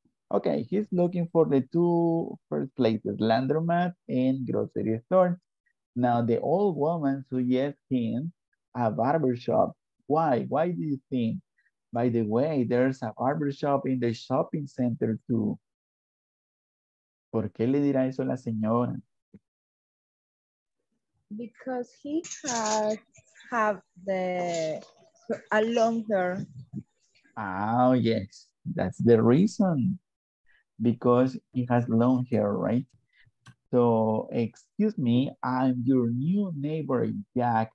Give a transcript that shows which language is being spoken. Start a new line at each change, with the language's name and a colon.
English: Okay, he's looking for the two first places, laundromat and grocery store. Now, the old woman suggests him a barber shop. Why? Why do you think? By the way, there's a barber shop in the shopping center too.
Spanish: ¿Por qué le dirá eso a la señora?
English: Because he has have the a long hair. Oh yes, that's the reason. Because he has long hair, right? So excuse me, I'm your new neighbor, Jack.